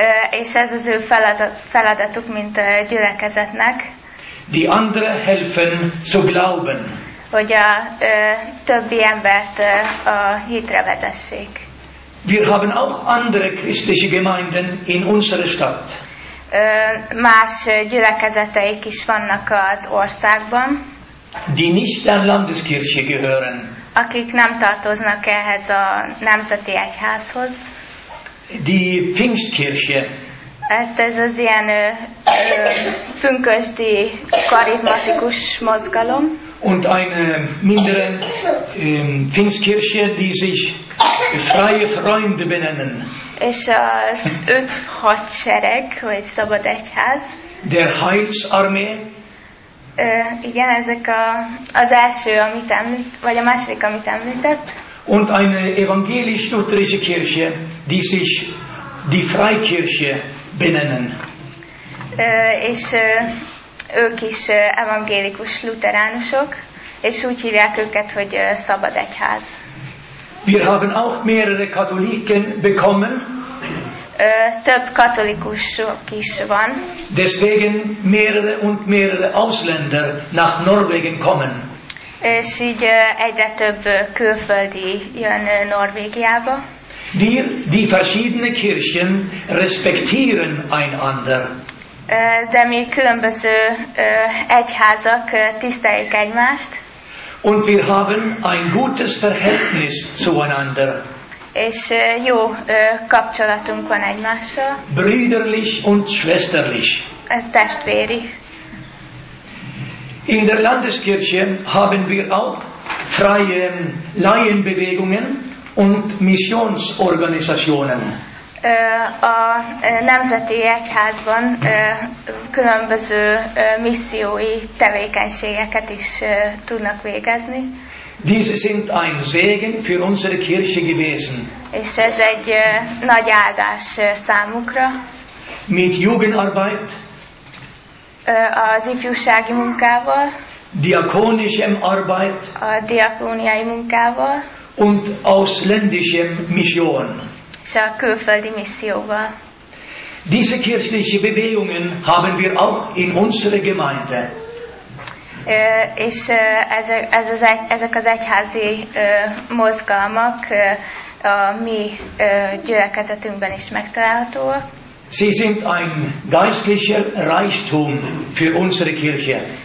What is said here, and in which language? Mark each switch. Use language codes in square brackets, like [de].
[hu] És ez az ő feladatuk, mint a gyülekezetnek. [de] Die andere helfen zu glauben. [hu] Hogy a többi embert a hitre vezessék. [de] Wir haben auch andere christliche Gemeinden in unserer Stadt. [hu] Más gyülekezeteik is vannak az országban. [de] Die nicht der Landeskirche gehören. [hu] Akik nem tartoznak ehhez a nemzeti egyházhoz. [de] Die Pfingstkirche. [hu] Hát ez az ilyen pünkösdi karizmatikus mozgalom. [de] Und eine mindere Pfingstkirche, die sich freie Freunde benennen. [hu] És az öt hadsereg, vagy szabad egyház. [de] Der Heilsarmee. [hu] Igen, ezek az első, amit említ, vagy a második, amit említett. [de] Und eine evangelisch-lutherische Kirche, die sich die Freikirche benennen. [hu] És ők is evangélikus luteránusok, és úgy hívják őket, hogy szabad egyház. [de] Wir haben auch mehrere Katholiken bekommen. [hu] Több katolikusok is van. [de] Deswegen mehrere und mehrere Ausländer nach Norwegen kommen. [hu] És így egyre több külföldi jön Norvégiába. [de] Die verschiedene Kirchen respektieren einander. [hu] De mi különböző egyházak tiszteljük egymást. [de] Und wir haben ein gutes Verhältnis zueinander. [hu] És jó kapcsolatunk van egymással. [de] Brüderlich und schwesterlich. [hu] Testvéri. [de] In der Landeskirche haben wir auch freie Laienbewegungen und Missionsorganisationen. [hu] A nemzeti egyházban különböző missziói tevékenységeket is tudnak végezni. [de] Diese sind ein Segen für unsere Kirche gewesen. [hu] És ez egy nagy áldás számukra. [de] Mit Jugendarbeit. [hu] Az ifjúsági munkával. [de] Diakonischem Arbeit. [hu] A diakóniai munkával. [de] Und ausländischem Mission. [hu] És a külföldi misszióval. [de] Diese kirchliche Bewegungen haben wir auch in unserer Gemeinde. [hu] És ezek az egyházi mozgalmak a mi gyülekezetünkben is megtalálhatóak. [de] Sie sind ein geistlicher Reichtum für unsere Kirche.